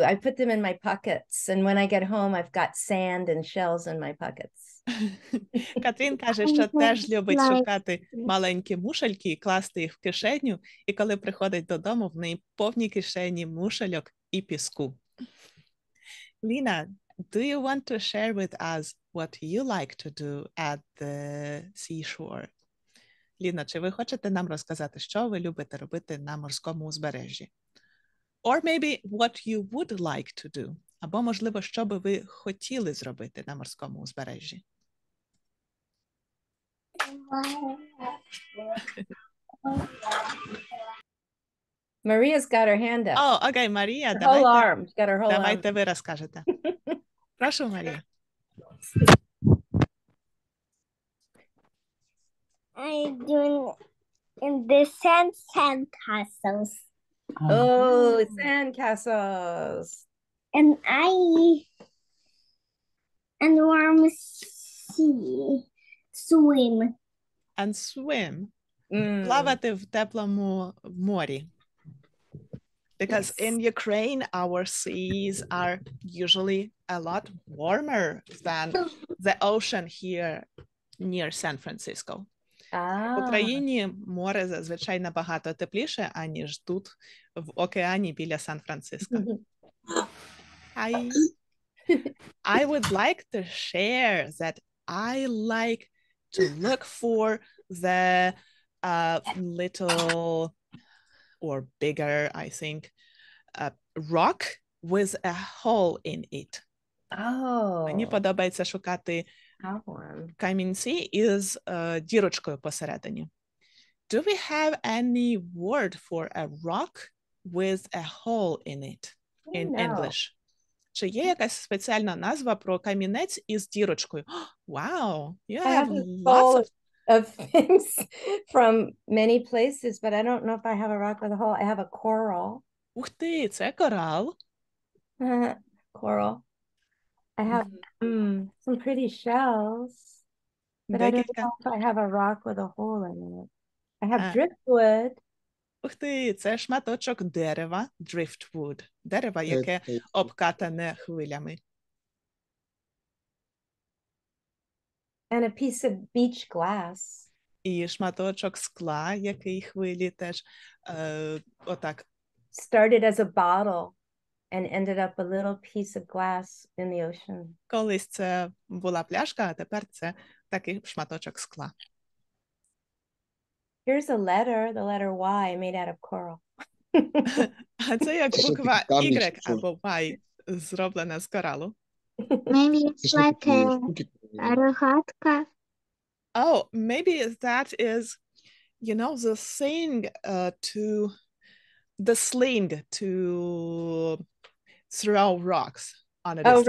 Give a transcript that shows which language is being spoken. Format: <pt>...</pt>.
<en>I put them in my pockets, and when I get home, I've got sand and shells in my pockets.</en> <uk>Катрін каже, що теж любить шукати маленькі мушельки і класти їх в кишеню, і коли приходить додому, в неї повні кишені мушельок і піску.</uk> <en>Ліна, do you want to share with us what you like to do at the seashore?</en> <uk>Ліна, чи ви хочете нам розказати, що ви любите робити на морському узбережжі?</uk> <en>Or maybe what you would like to do.</en> <uk>Або, можливо, що би ви хотіли зробити на морському узбережжі.</uk> <en>Maria's got her hand up. Oh, okay, Maria. Her whole arm. She's got her whole</en> <uk>давайте</uk> <en>arm.</en> <uk>Ви розкажете. Прошу, Марія.</uk> <en>I do in the sand castles. Oh, sand castles. And I and warm sea swim. And swim.</en> <uk>Плавати в теплому морі.</uk> <en>Because in Ukraine our seas are usually a lot warmer than the ocean here near San Francisco. Ah.</en> <uk>В Україні море зазвичай набагато тепліше, аніж тут, в океані біля Сан-Франциско.</uk> <en>I would like to share that I like to look for the little or bigger, I think, rock with a hole in it. Oh.</en> <uk>Мені подобається шукати... Камінці із дірочкою посередині.</uk> <en>Do we have any word for a rock with a hole in it in English?</en> <uk>Чи є якась спеціальна назва про камінець із дірочкою?</uk> <en>Wow, you have lots of things from many places, but I don't know if I have a rock with a hole. I have a coral.</en> <uk>Ух ти, це корал.</uk> <en>Coral. I have some pretty shells. But</en> <uk>декілька.</uk> <en>I don't know if I have a rock with a hole in it. I have driftwood.</en> <uk>Ух ти, це шматочок дерева, driftwood, дерево, яке обкатане хвилями.</uk> <en>And a piece of beach glass.</en> <uk>І шматочок скла, який хвилі теж отак.</uk> <en>Started as a bottle and ended up a little piece of glass in the ocean.</en> <uk>Колись це була пляшка, а тепер це такий шматочок скла.</uk> <en>Here's a letter, the letter Y, made out of coral.</en> <uk>А це як буква Y або Y, зроблена з коралу.</uk> <en>Maybe it's like a рогатка. Oh, maybe that is, you know, the thing to, the sling to throw rocks on a distance.</en>